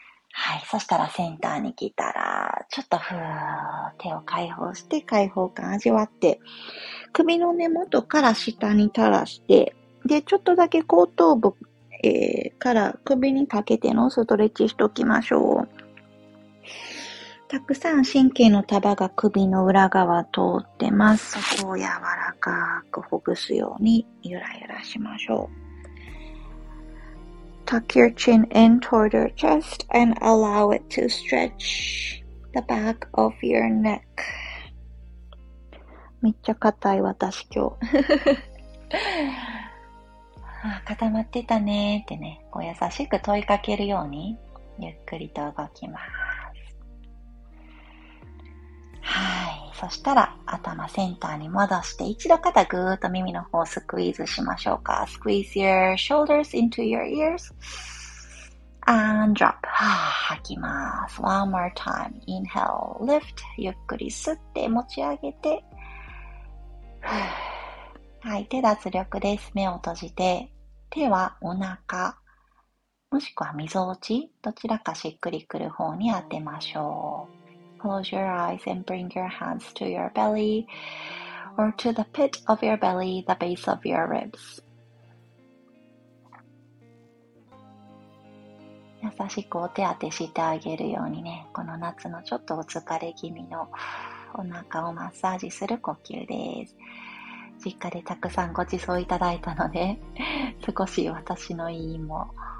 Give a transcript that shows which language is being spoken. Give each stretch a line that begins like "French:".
Japanese: はい、そしたらセンターに来たらちょっとふーっ手を解放して、解放感味わって、首の根元から下に垂らして、でちょっとだけ後頭部、から首にかけてのストレッチしておきましょう。たくさん神経の束が首の裏側通ってます。そこを柔らかくほぐすようにゆらゆらしましょう。
English: Tuck your chin in toward your chest and allow it to stretch the back of your neck.
Japanese: めっちゃ硬い私今日ああ固まってたねってね、こう優しく問いかけるようにゆっくりと動きます。はい、そしたら頭センターに戻して、一度肩ぐーっと耳の方スクイーズしましょうか。
English: Squeeze your shoulders into your ears and drop。
Japanese: はぁ、吐きます。
English: One more time, inhale, lift。
Japanese: ゆっくり吸って持ち上げて、はい、手脱力です。目を閉じて、手はお腹もしくは溝落ち、どちらかしっくりくる方に当てましょう。
English: Close your eyes and bring your hands to your belly or to the pit of your belly, the base of your ribs.
Japanese: 優しくお手当てしてあげるようにね、この夏のちょっとお疲れ気味のお腹をマッサージする呼吸です。実家でたくさんごちそういただいたので、少し私の胃も